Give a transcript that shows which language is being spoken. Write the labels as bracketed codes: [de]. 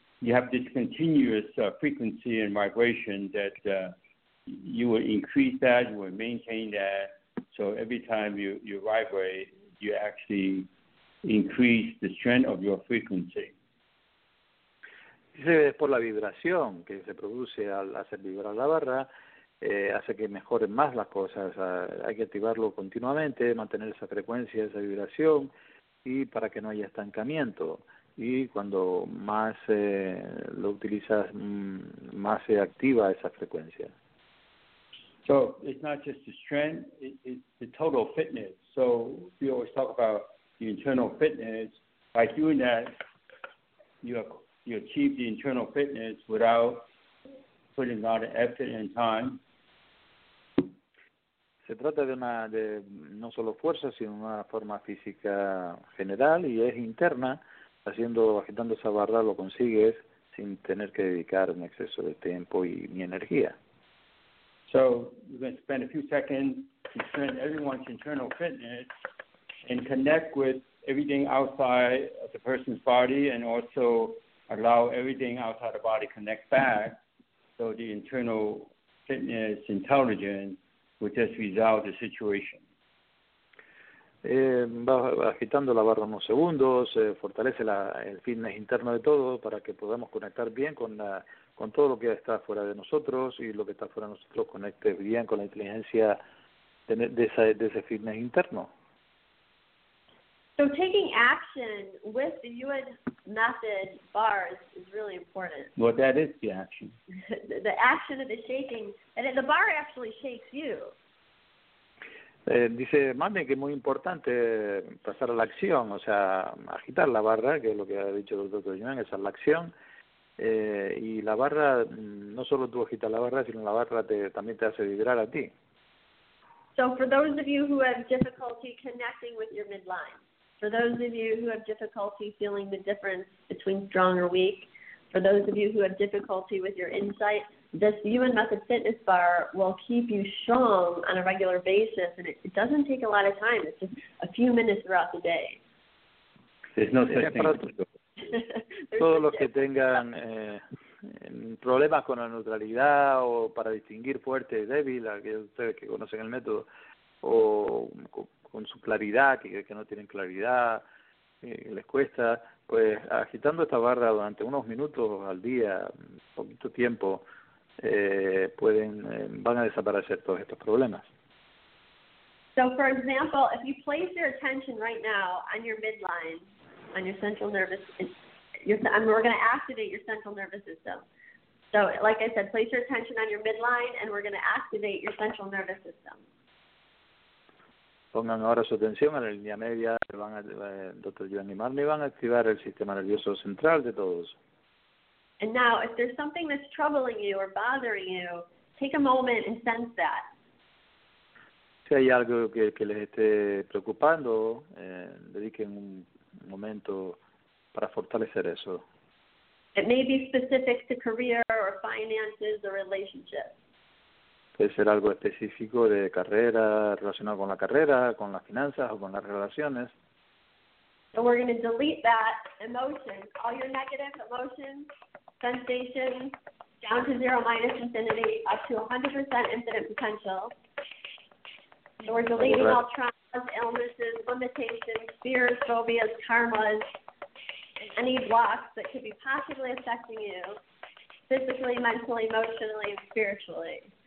[en] You have this continuous frequency and vibration that you will increase that, you will maintain that. So every time you vibrate, you actually increase the strength of your frequency. [es] Dice es por la vibración que se produce al hacer vibrar la barra, hace que mejoren más las cosas. Hay que activarlo continuamente, mantener esa frecuencia, esa vibración, y para que no haya estancamiento. Y cuando más lo utilizas, más se activa esa frecuencia. [en] So it's not just the strength, it's the total fitness. So we always talk about the internal fitness. By doing that, you achieve the internal fitness without putting a lot of effort and time. [es] Se trata de no solo fuerza, sino una forma física general y es interna. Agitando esa barra lo consigues sin tener que dedicar un exceso de tiempo y ni energía. [en] So we're going to spend a few seconds to train everyone's internal fitness and connect with everything outside of the person's body and also allow everything outside the body connect back. So the internal fitness intelligence will just resolve the situation. [es] Va agitando la barra unos segundos, fortalece el fitness interno de todo para que podamos conectar bien con todo lo que está fuera de nosotros y lo que está fuera de nosotros conecte bien con la inteligencia de ese fitness interno. So [en] So taking action with the Yuen method bars is really important. Well, that is the action. the action of the shaking, and the bar actually shakes you. [es] Dice Mane que es muy importante pasar a la acción, o sea, agitar la barra, que es lo que ha dicho el doctor Yuen, esa es la acción. Y la barra, no solo tú agitas la barra, sino la barra también te hace vibrar a ti. [en] So for those of you who have difficulty connecting with your midline, for those of you who have difficulty feeling the difference between strong or weak, for those of you who have difficulty with your insight, this Yuen Method Fitness Bar will keep you strong on a regular basis, and it doesn't take a lot of time. It's just a few minutes throughout the day. There's no such thing. [es] Todos los que tengan problemas con la neutralidad o para distinguir fuerte y débil, aquellos ustedes que conocen el método, o con su claridad, que no tienen claridad, les cuesta, pues agitando esta barra durante unos minutos al día, poquito tiempo, van a desaparecer todos estos problemas. [en] So, for example, if you place your attention right now on your midline, on your central nervous, we're going to activate your central nervous system. So, like I said, place your attention on your midline, and we're going to activate your central nervous system. [es] Pongan ahora su atención a la línea media, Dr. Yuen y Marley, van a activar el sistema nervioso central de todos. [en] And now, if there's something that's troubling you or bothering you, take a moment and sense that. [es] Si hay algo que les esté preocupando, dediquen un momento para fortalecer eso. [en] It may be specific to career or finances or relationships. [es] Puede ser algo específico de carrera, relacionado con la carrera, con las finanzas o con las relaciones. [en] So we're going to delete that emotion, all your negative emotions, sensations, down to zero minus infinity, up to 100% infinite potential. So we're deleting all traumas, illnesses, limitations, fears, phobias, karmas, and any blocks that could be possibly affecting you physically, mentally, emotionally, and spiritually.